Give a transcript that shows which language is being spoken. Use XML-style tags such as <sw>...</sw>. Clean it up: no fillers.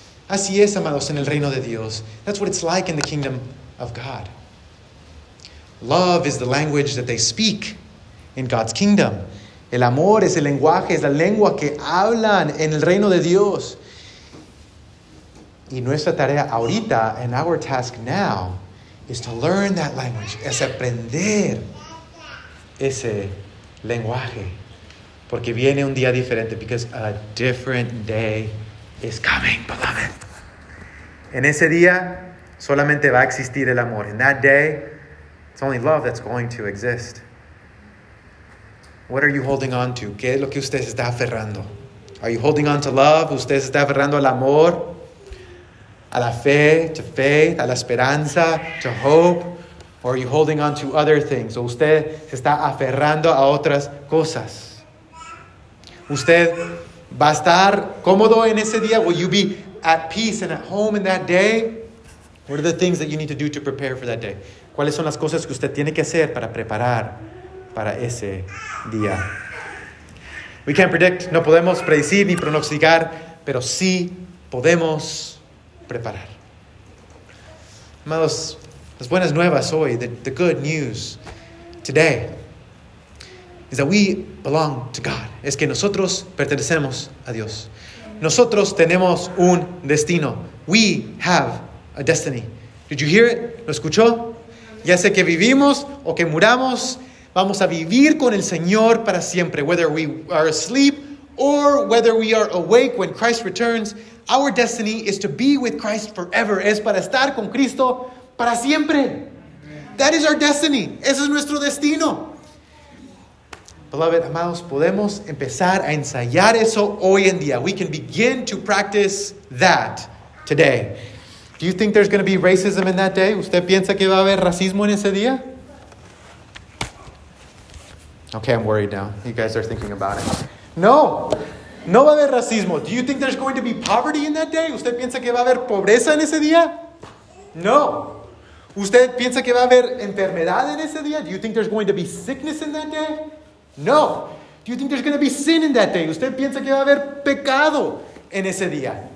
<es>Así es, amados, en el reino de Dios.</es> <en>That's what it's like in the kingdom of God. Love is the language that they speak in God's kingdom.</en> <es>El amor es el lenguaje, es la lengua que hablan en el reino de Dios. Y nuestra tarea ahorita,</es> <en>and our task now, is to learn that language,</en> <es>es aprender ese lenguaje. Porque viene un día diferente,</es> <en>because a different day is coming, beloved.</en> <es>En ese día, solamente va a existir el amor.</es> <en>In that day, it's only love that's going to exist. What are you holding on to?</en> <es>¿Qué es lo que usted está aferrando?</es> <en>Are you holding on to love?</en> <es>¿Usted está aferrando al amor? A la fe,</es> <en>to faith,</en> <es>a la esperanza,</es> <en>to hope, or are you holding on to other things?</en> <es>¿O usted se está aferrando a otras cosas? ¿Usted va a estar cómodo en ese día?</es> <en>Will you be at peace and at home in that day? What are the things that you need to do to prepare for that day?</en> <es>¿Cuáles son las cosas que usted tiene que hacer para preparar para ese día?</es> <en>We can't predict,</en> <es>no podemos predecir ni pronosticar, pero sí podemos preparar. Amados, las buenas nuevas hoy,</es> <en>the good news today, is that we belong to God.</en> <es>Es que nosotros pertenecemos a Dios. Nosotros tenemos un destino.</es> <en>We have a destiny. Did you hear it?</en> <es>¿Lo escuchó? Ya sea que vivimos o que muramos, vamos a vivir con el Señor para siempre.</es> <en>Whether we are asleep or whether we are awake when Christ returns, our destiny is to be with Christ forever.</en> <es>Es para estar con Cristo para siempre.</es> <en>That is our destiny.</en> <es>Ese es nuestro destino. Beloved, amados, podemos empezar a ensayar eso hoy en día.</es> <en>We can begin to practice that today. Do you think there's going to be racism in that day?</en> <es>¿Usted piensa que va a haber racismo en ese día?</es> <en>Okay, I'm worried now. You guys are thinking about it.</en> <es>No. No va a haber racismo.</es> <en>Do you think there's going to be poverty in that day?</en> <es>¿Usted piensa que va a haber pobreza en ese día? No. ¿Usted piensa que va a haber enfermedad en ese día?</es> <en>Do you think there's going to be sickness in that day? No. Do you think there's going to be sin in that day?</en> <es>¿Usted piensa que va a haber pecado en ese día?</es>